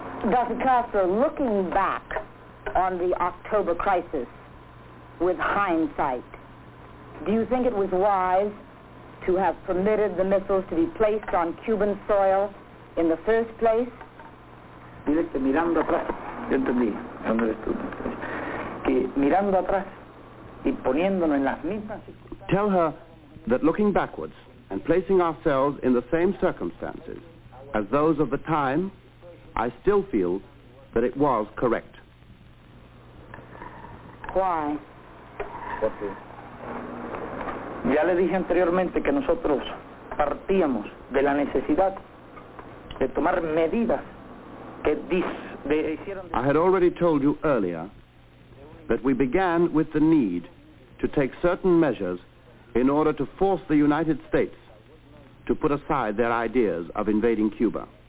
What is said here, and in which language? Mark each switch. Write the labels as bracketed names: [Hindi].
[English] Dr. Castro, looking back on the October crisis with hindsight, do you think it was wise to have permitted the missiles to be placed on Cuban soil in the first place? [Spanish] Mire que mirando atrás, yo entendí, ¿dónde eres tú? Que mirando atrás y poniéndonos en las mismas circunstancias. [English] Tell her that looking backwards and placing ourselves in the same circumstances as those of the time, I still feel that it was correct. Why? [Spanish] Porque ya le dije anteriormente que nosotros partíamos de la necesidad de tomar medidas. [English] I had already told you earlier that we began with the need to take certain measures in order to force the United States to put aside their ideas of invading Cuba.